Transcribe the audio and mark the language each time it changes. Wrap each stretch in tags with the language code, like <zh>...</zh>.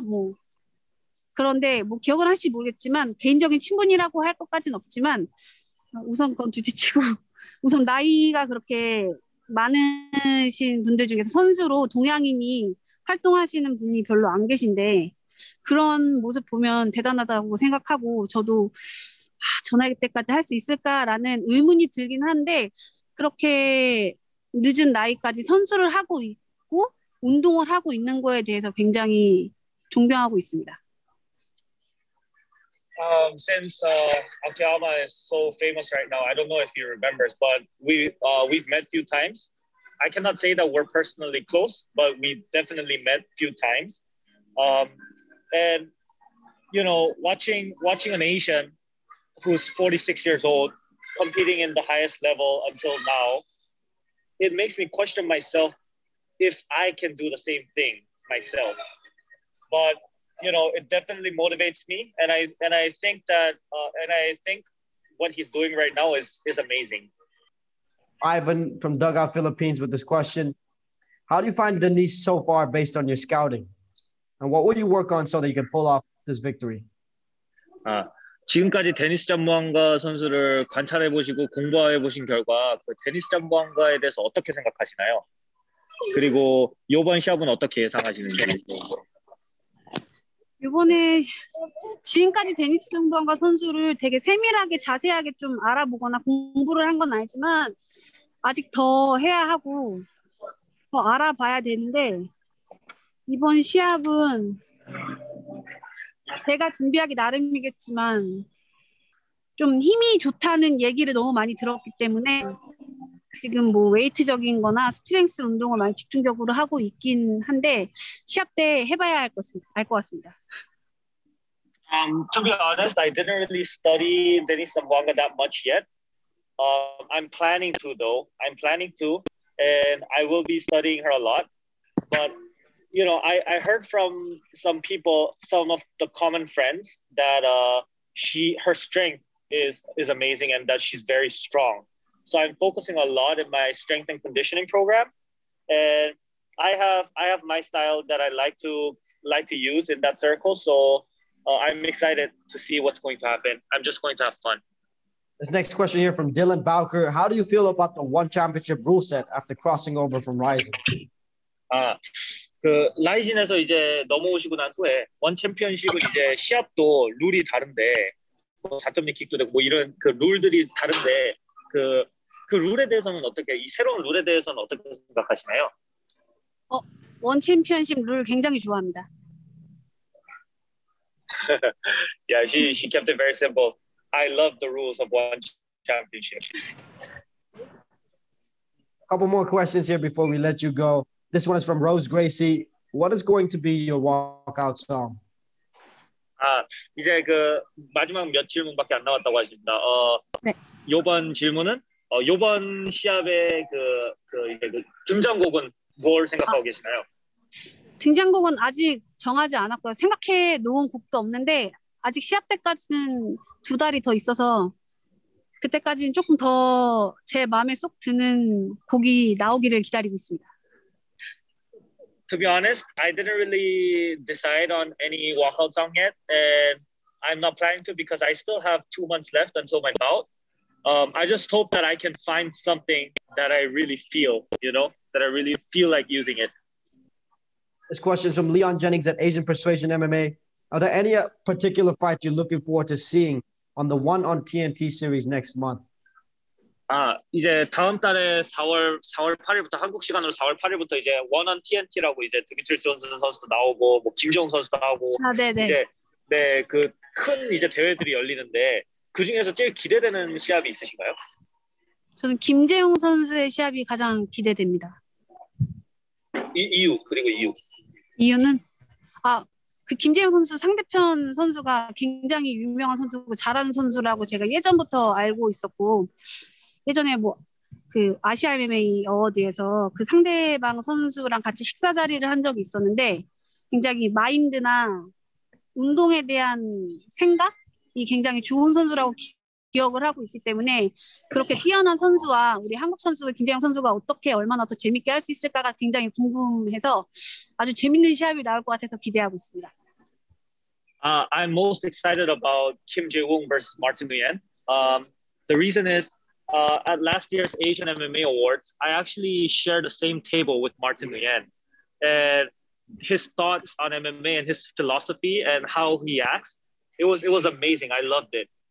<ko>뭐 그런데 뭐 기억을 할지 모르겠지만 개인적인 친분이라고 할 것까지는 없지만 우선 건 두지치고 우선 나이가 그렇게 많으신 분들 중에서 선수로 동양인이 활동하시는 분이 별로 안 계신데 그런 모습 보면 대단하다고 생각하고 저도 전화기 때까지 할 수 있을까라는 의문이 들긴 한데 그렇게 늦은 나이까지 선수를 하고 있고 운동을 하고 있는 거에 대해서 굉장히 존경하고 있습니다.</ko> <en>Since Akiyama is so famous right now, I don't know if he remembers, but we've met a few times. I cannot say that we're personally close, but we definitely met a few times. And, you know, watching an Asian who's 46 years old competing in the highest level until now, it makes me question myself if I can do the same thing myself. But, you know, it definitely motivates me. And I think what he's doing right now is amazing. Ivan from Dugout Philippines with this question. How do you find Denise so far based on your scouting? And what will you work on so that you can pull off this victory?</en> <ko>지금까지 데니스 잠부앙가 선수를 관찰해 보시고 공부해 보신 결과 그 데니스 잠부앙가에 대해서 어떻게 생각하시나요? 그리고 이번 시합은 어떻게 예상하시는지. 이번에 지금까지 데니스 잠부앙가 선수를 되게 세밀하게 자세하게 좀 알아보거나 공부를 한 건 아니지만 아직 더 해야 하고 더 알아봐야 되는데 이번 시합은 제가 준비하기 나름이겠지만 좀 힘이 좋다는 얘기를 너무 많이 들었기 때문에 지금 뭐 웨이트적인 거나 스트렝스 운동을 많이 집중적으로 하고 있긴 한데 시합 때 해봐야 할 것 같습니다.</ko> <en>To be honest, I didn't really study Denis Zamboanga that much yet. I'm planning to though. I'm planning to and I will be studying her a lot. But you know, I heard from some people, some of the common friends, that her strength is amazing and that she's very strong. So I'm focusing a lot in my strength and conditioning program, and I have my style that I like to use in that circle. So I'm excited to see what's going to happen. I'm just going to have fun. This next question here from Dylan Bowker: how do you feel about the ONE Championship rule set after crossing over from Ryzen?</en> <ko>그 라이진에서 이제 넘어오시고 난 후에 원 챔피언십은 이제 시합도 룰이 다른데 뭐 자점리 킥도 되고 뭐 이런 그 룰들이 다른데 그 룰에 대해서는 어떻게 이 새로운 룰에 대해서는 어떻게 생각하시나요? 원 챔피언십 룰 굉장히 좋아합니다.</ko> <en>Yeah, she kept it very simple. I love the rules of one championship. Couple more questions here before we let you go. This one is from Rose Gracie. What is going to be your walkout song?</en> <ko>아, 이제 그 마지막 몇 질문밖에 안 남았다고 하십니다. 네. 이번 질문은 이번 시합의 그 이제 그 등장곡은 뭘 생각하고 계시나요? 등장곡은 아직 정하지 않았고요. 생각해 놓은 곡도 없는데 아직 시합 때까지는 두 달이 더 있어서 그때까지는 조금 더 제 마음에 쏙 드는 곡이 나오기를 기다리고 있습니다.</ko> <en>To be honest, I didn't really decide on any walkout song yet, and I'm not planning to because I still have 2 months left until my bout. I just hope that I can find something that I really feel, you know, that I really feel like using it. This question is from Leon Jennings at Asian Persuasion MMA. Are there any particular fights you're looking forward to seeing on the one on TNT series next month?</en> <ko>아, 이제 다음 달에 4월 8일부터 한국 시간으로 4월 8일부터 이제 원 온 TNT라고 이제 드미트리 존슨 선수도 나오고 뭐 김종 선수도 하고 아, 이제 네, 그 큰 이제 대회들이 열리는데 그 중에서 제일 기대되는 시합이 있으신가요? 저는 김재용 선수의 시합이 가장 기대됩니다. 이유 이유는 아 그 김재용 선수 상대편 선수가 굉장히 유명한 선수고 잘하는 선수라고 제가 예전부터 알고 있었고 예전에 뭐 그 아시아 MMA 어워드에서 그 상대방 선수랑 같이 식사 자리를 한 적이 있었는데 굉장히 마인드나 운동에 대한 생각이 굉장히 좋은 선수라고 기억을 하고 있기 때문에 그렇게 뛰어난 선수와 우리 한국 선수 김재영 선수가 어떻게 얼마나 더 재밌게 할 수 있을까가 굉장히 궁금해서 아주 재밌는 시합이 나올 것 같아서 기대하고 있습니다.</ko> <en>I'm most excited about Kim Jae-woong versus Martin Nguyen. The reason is at last year's Asian MMA Awards, I actually shared the same table with Martin Nguyen. And his thoughts on MMA and his philosophy and how he acts, it was amazing. I loved it.</en>